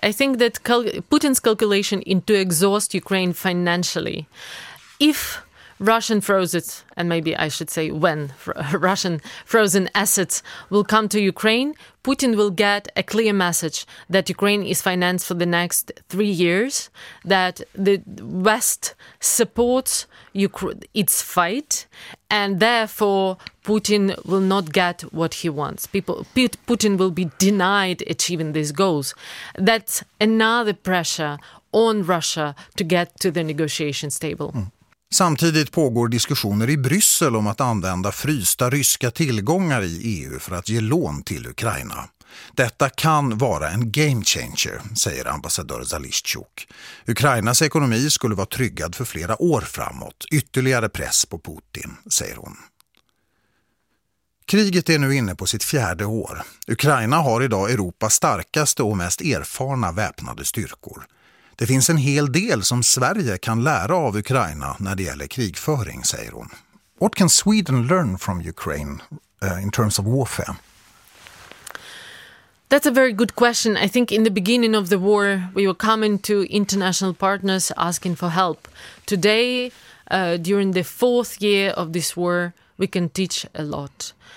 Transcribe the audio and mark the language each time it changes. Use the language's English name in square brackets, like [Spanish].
[English] I think that Putin's calculation into exhaust Ukraine financially, if Russian frozen, and maybe I should say when Russian frozen assets will come to Ukraine, Putin will get a clear message that Ukraine is financed for the next 3 years, that the West supports its fight, and therefore Putin will not get what he wants. Putin will be denied achieving these goals. That's another pressure on Russia to get to the negotiations table. Mm. [Swedish] Samtidigt pågår diskussioner i Bryssel om att använda frysta ryska tillgångar i EU för att ge lån till Ukraina. Detta kan vara en game changer, säger ambassadör Zalishchuk. Ukrainas ekonomi skulle vara tryggad för flera år framåt. Ytterligare press på Putin, säger hon. Kriget är nu inne på sitt fjärde år. Ukraina har idag Europas starkaste och mest erfarna väpnade styrkor. Det finns en hel del som Sverige kan lära av Ukraina när det gäller krigföring, säger hon. [English] What can Sweden learn from Ukraine in terms of warfare? That's a very good question. I think in the beginning of the war, we were coming to international partners asking for help. Today, during the fourth year of this war, we can teach a lot.